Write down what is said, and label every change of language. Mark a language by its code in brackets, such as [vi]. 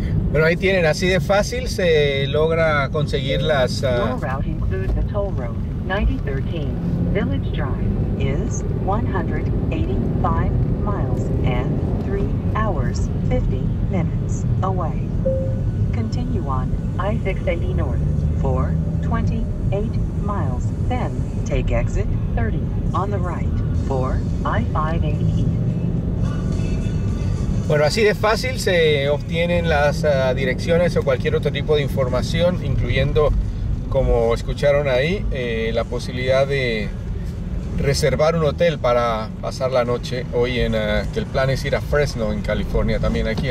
[es] Bueno, ahí tienen, así de fácil se logra conseguir las... [en] Your route includes the toll road, 9013. Village Drive is 185 miles and 3 hours 50 minutes away. Continue on I-680 North for 28 miles, then take exit 30 on the right for I-580 East. [es] Bueno, así de fácil se obtienen las direcciones o cualquier otro tipo de información, incluyendo, como escucharon ahí, la posibilidad de reservar un hotel para pasar la noche hoy en que el plan es ir a Fresno, en California, también aquí.